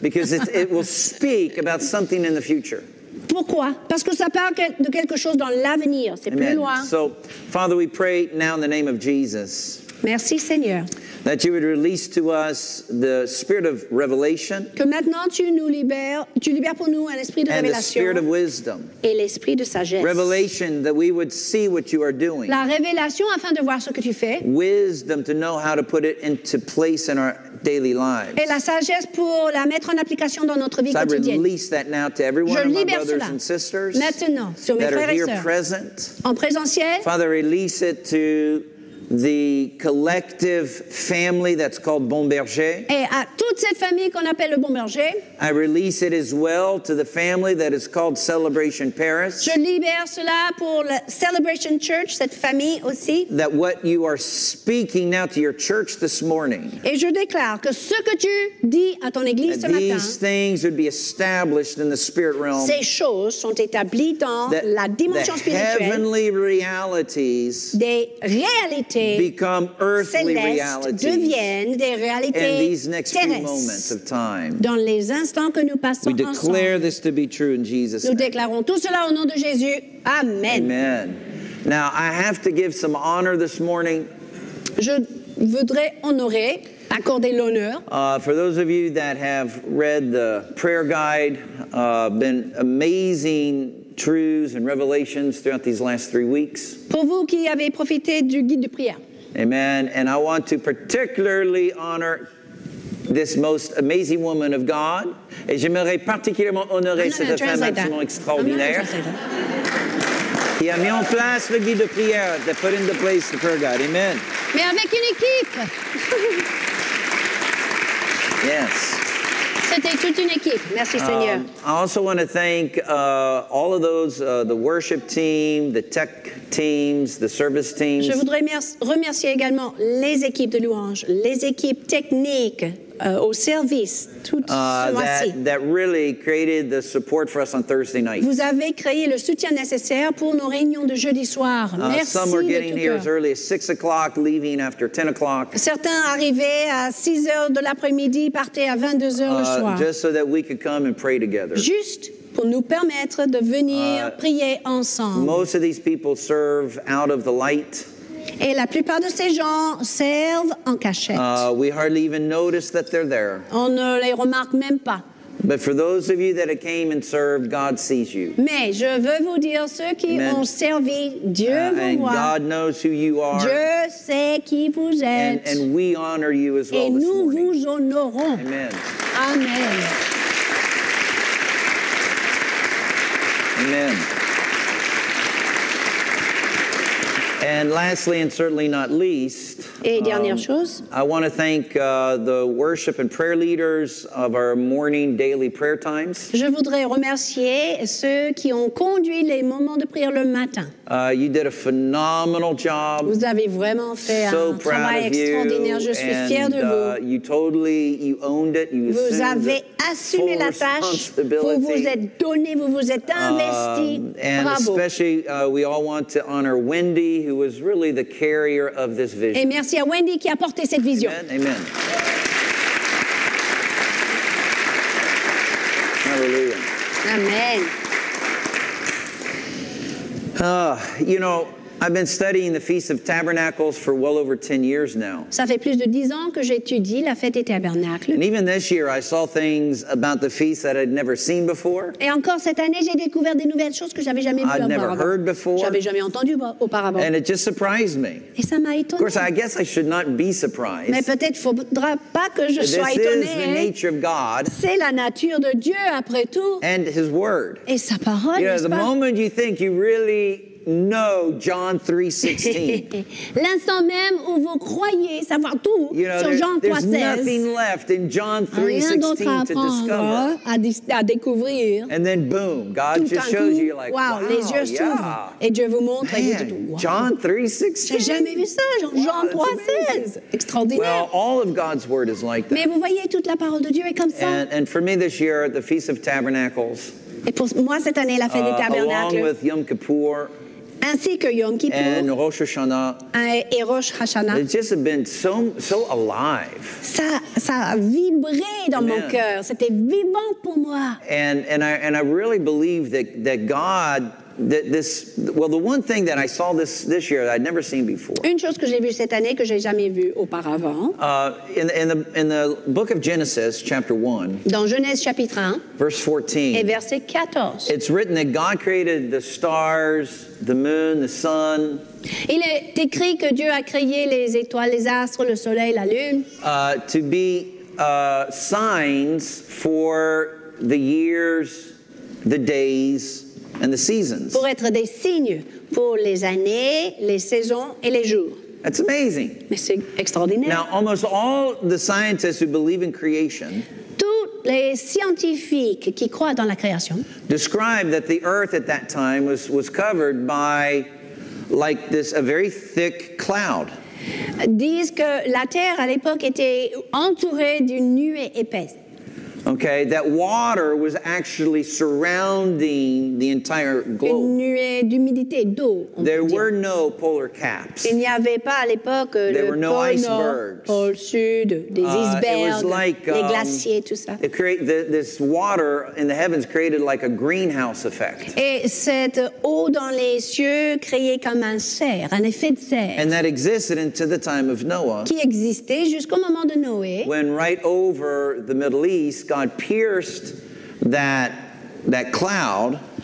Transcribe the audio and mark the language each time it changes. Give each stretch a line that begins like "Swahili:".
English: Because it will speak about something in the future.
French: Pourquoi? Parce que ça parle de quelque chose dans l'avenir, c'est Amen. Plus loin.
English: So, Father, we pray now in the name of Jesus.
French: Merci, Seigneur.
English: That you would release to us the spirit of revelation.
French: Que maintenant tu libères pour nous un esprit de révélation.
English: And the spirit of wisdom.
French: Et l'esprit de sagesse.
English: Revelation that we would see what you are doing.
French: La révélation afin de voir ce que tu fais.
English: Wisdom to know how to put it into place in our daily lives.
French: Et la sagesse pour la mettre en application dans notre vie quotidienne.
English: So I release that now to everyone
French: Je
English: of my brothers
French: cela.
English: And sisters.
French: Maintenant, sur mes
English: that
French: frères
English: are here
French: et sœurs.
English: Present.
French: En présentiel.
English: Father, release it to the collective family that's called Bon Berger.
French: Et à toute cette famille qu'on appelle le Bon Berger.
English: I release it as well to the family that is called Celebration Paris.
French: Je libère cela pour la Celebration Church, cette famille aussi.
English: That what you are speaking now to your church this morning.
French: Et je déclare que ce que tu dis à ton église ce matin.
English: These things would be established in the spirit realm.
French: Ces choses sont établies dans la dimension spirituelle.
English: The heavenly realities.
French: Des réalités. réalité
English: become earthly realities in these next few moments of time.
French: Dans les instants que nous passons
English: we declare
French: ensemble.
English: This to be true in Jesus'
French: nous
English: name.
French: Nous déclarons tout cela au nom de Jésus. Amen. Amen.
English: Now, I have to give some honor this morning.
French: Je voudrais honorer, accorder l'honneur.
English: For those of you that have read the prayer guide, been amazing truths and revelations throughout these last 3 weeks.
French: Pour vous qui avez profité du guide de prière. Amen.
English: And I want to particularly honor this most amazing woman of God.
French: Et j'aimerais particulièrement honorer cette femme absolument extraordinaire. Qui a mis en place le guide de prière,
English: that put into place the prayer guide.
French: Amen. Mais avec une équipe.
English: Yes.
French: C'était toute une équipe. Merci, Seigneur.
English: I also want to thank all of those, the worship team, the tech teams, the service teams.
French: Je voudrais remercier également les équipes de louange, les équipes techniques. Au service, tout
English: that really created the support for us on Thursday night.
French: Vous avez créé le soutien nécessaire pour nos réunions de jeudi soir. Merci.
English: Some were getting here as early as 6 o'clock, leaving after 10 o'clock.
French: Certains arrivaient à 6 heures de l'après-midi, partaient à 22 heures le soir.
English: Just so that we could come and pray together.
French: Juste pour nous permettre de venir prier ensemble.
English: Most of these people serve out of the light.
French: Et la plupart de ces gens servent en cachette.
English: We hardly even notice that they're there.
French: On ne les remarque même pas.
English: But for those of you that have came and served, God sees you.
French: Mais je veux vous dire, ceux qui Amen. Ont servi, Dieu vous
English: and
French: voit.
English: And God knows who you are.
French: Dieu sait qui vous êtes.
English: And we honor you as well
French: Et
English: this
French: nous
English: morning.
French: Vous honorons. Amen. Amen. Amen.
English: And lastly, and certainly not least, I want to thank the worship and prayer leaders of our morning daily prayer times.
French: Je voudrais remercier ceux qui ont conduit les moments de prière le matin.
English: You did a phenomenal job.
French: Vous avez vraiment fait
English: so
French: un travail extraordinaire. Je suis fier de vous.
English: You owned it. You
French: vous avez assumé la tâche. Vous vous êtes donné. Vous vous êtes investi.
English: And
French: Bravo.
English: Especially, we all want to honor Wendy, who was really the carrier of this vision.
French: Et merci à Wendy qui a porté cette vision. Amen. Amen. Hallelujah. Amen.
English: You know, I've been studying the Feast of Tabernacles for well over 10 years now.
French: Ça fait plus de 10 ans que j'étudie la fête des tabernacles.
English: And even this year, I saw things about the feast that I'd never seen before.
French: Et encore cette année, j'ai découvert des nouvelles choses que j'avais jamais vues auparavant.
English: I'd never heard before.
French: J'avais jamais entendu auparavant.
English: And it just surprised me.
French: Et ça m'a étonné.
English: Of course, I guess I should not be surprised.
French: Mais peut-être faudra pas que je
English: this
French: sois étonné.
English: This is the nature of God.
French: C'est la nature de Dieu après tout.
English: And His Word.
French: Et sa parole, n'est-ce pas?
English: Yeah, the moment you think you really No, John 3:16.
French: L'instant même où vous croyez savoir tout
English: you know,
French: sur Jean 3:16.
English: There's nothing left in John 3:16 to discover.
French: À découvrir.
English: And then boom, God
French: tout
English: just shows
French: coup,
English: you like wow,
French: les yeux
English: yeah.
French: Et Dieu vous montre
English: Man,
French: et vous dites, wow.
English: John 3:16.
French: J'ai jamais vu ça, Jean 3:16.
English: Wow,
French: extraordinaire.
English: Well, all of God's word is like that.
French: Mais vous voyez toute la parole de Dieu est comme ça.
English: And for me this year at the Feast of Tabernacles.
French: Et pour moi cette année la fête des tabernacles.
English: Along with Yom Kippur.
French: Ainsi que Yom Kippur
English: and Rosh Hashanah.
French: Et Rosh Hashanah.
English: It just has been so alive.
French: Ça a vibré dans Amen. Mon cœur. C'était vivant pour moi.
English: And I really believe that God that this well the one thing that I saw this year that I'd never seen before.
French: Une chose que j'ai vue cette année que j'ai jamais vue auparavant.
English: In the book of Genesis chapter 1.
French: Dans Genèse chapitre 1.
English: Verse 14.
French: Et verset 14.
English: It's written that God created the stars. The moon, the sun.
French: Il est écrit que Dieu a créé les étoiles, les astres, le soleil, la lune.
English: To be signs for the years, the days, and the seasons.
French: Pour être des signes pour les années, les saisons et les jours.
English: That's amazing.
French: Mais c'est extraordinaire.
English: Now, almost all the scientists who believe in creation.
French: Les scientifiques qui croient dans la création
English: describe that the earth at that time was covered by like this a very thick cloud.
French: Disent que la terre à l'époque était entourée d'une nuée épaisse.
English: Okay, that water was actually surrounding the entire globe.
French: Une nuée d'humidité, d'eau,
English: there were no polar caps.
French: Il n'y avait pas à l'époque
English: there
French: le
English: were no icebergs.
French: Pôle sud, des icebergs,
English: it was like
French: les glaciers, tout ça.
English: It create, the, this water in the heavens created like a greenhouse effect.
French: Et cette eau dans les cieux créait comme un serre, un effet de serre.
English: And that existed until the time of Noah.
French: Qui existait jusqu'au moment de Noé.
English: When right over the Middle East, God pierced that cloud.